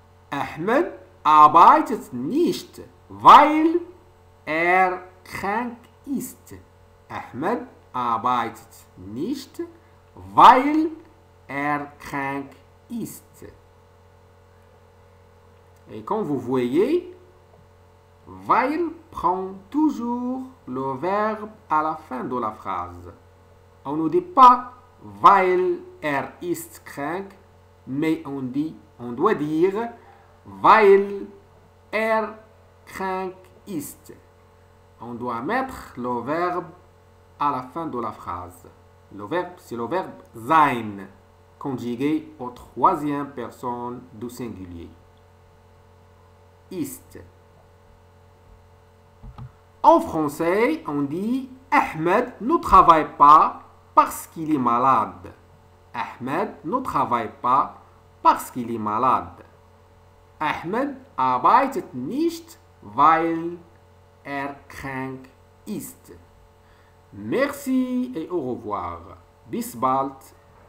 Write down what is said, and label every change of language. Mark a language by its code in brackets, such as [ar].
[de] Ahmed arbeitet nicht, weil krank ist. Ahmed arbeitet nicht, weil krank ist. [fr] Et comme vous voyez, weil prend toujours le verbe à la fin de la phrase. On ne dit pas [de] weil ist krank, [fr] mais on dit, on doit dire [de] weil krank ist. [fr] On doit mettre le verbe à la fin de la phrase. Le verbe, c'est le verbe sein, conjugué au troisième personne du singulier. Ist. En français, on dit: Ahmed ne travaille pas parce qu'il est malade. Ahmed ne travaille pas parce qu'il est malade. [de] Ahmed arbeitet nicht, weil krank [fr] ist. Merci et au revoir. [de] Bis bald.